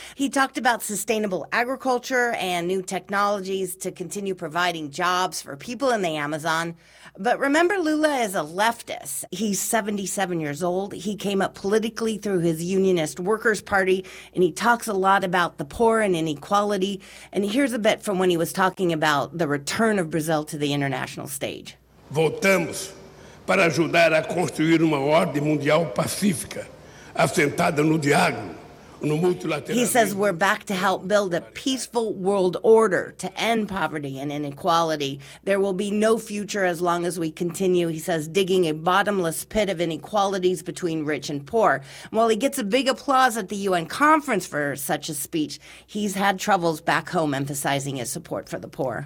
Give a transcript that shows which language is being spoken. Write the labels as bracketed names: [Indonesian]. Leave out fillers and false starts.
[English] He talked about sustainable agriculture and new technologies to continue providing jobs for people in the Amazon. But remember, Lula is a leftist. He's 77 years old. He came up politically through his Unionist Workers Party, and he talks a lot about the poor and inequality. And here's a bit from when he was talking about the return of Brazil to the international stage. [Portuguese] Voltamos para ajudar a construir uma ordem mundial pacífica, assentada no diálogo, [English] He says we're back to help build a peaceful world order to end poverty and inequality. There will be no future as long as we continue, he says, digging a bottomless pit of inequalities between rich and poor. While he gets a big applause at the UN conference for such a speech, he's had troubles back home emphasizing his support for the poor.